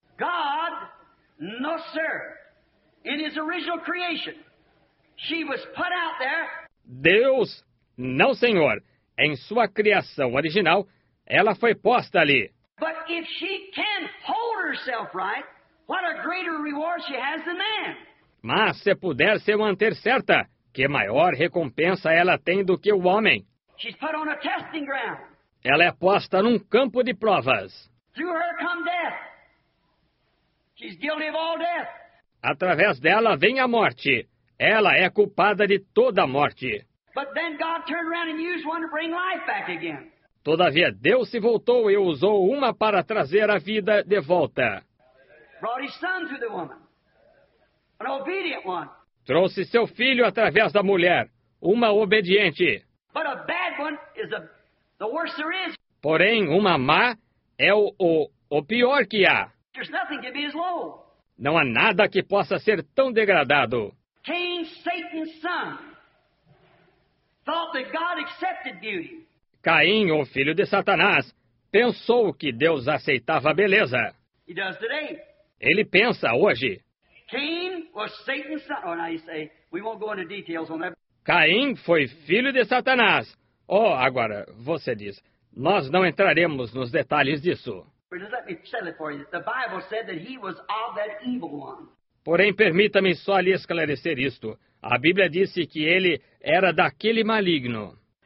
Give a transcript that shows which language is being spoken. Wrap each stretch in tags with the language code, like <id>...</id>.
<en>God, no sir, in his original creation, she was put out there.</en> <pt>Deus, não senhor. Em sua criação original, ela foi posta ali.</pt> <en>But if she can hold herself right, what a greater reward she has than man.</en> <pt>Mas se puder se manter certa, que maior recompensa ela tem do que o homem.</pt> <en>She's put on a testing ground.</en> <pt>Ela é posta num campo de provas.</pt> <en>Through her come death. She's guilty of all death.</en> <pt>Através dela vem a morte. Ela é culpada de toda a morte.</pt> <en>But then God turned around and used one to bring life back again.</en> <pt>Todavia, Deus se voltou e usou uma para trazer a vida de volta.</pt> <en>Brought his son to the woman. An obedient one.</en> <pt>Trouxe seu filho através da mulher, uma obediente.</pt> <en>But a bad one is the worst there is.</en> <pt>Porém, uma má é o pior que há.</pt> <en>There's nothing to be as low.</en> <pt>Não há nada que possa ser tão degradado.</pt> <en>Cain, Satan's son. Thought that God accepted beauty.</en> <pt>Caim, o filho de Satanás, pensou que Deus aceitava a beleza.</pt> <en>He does today.</en> <pt>Ele pensa hoje.</pt> <en>Cain was Satan's son. Oh, now you say, we won't go into details on that.</en> <pt>Caim foi filho de Satanás. Oh, agora, você diz, nós não entraremos nos detalhes disso.</pt> <en>But let me settle it for you. The Bible said that he was of that evil one.</en> <pt>Porém, permita-me só lhe esclarecer isto. A Bíblia disse que ele era daquele maligno.</pt>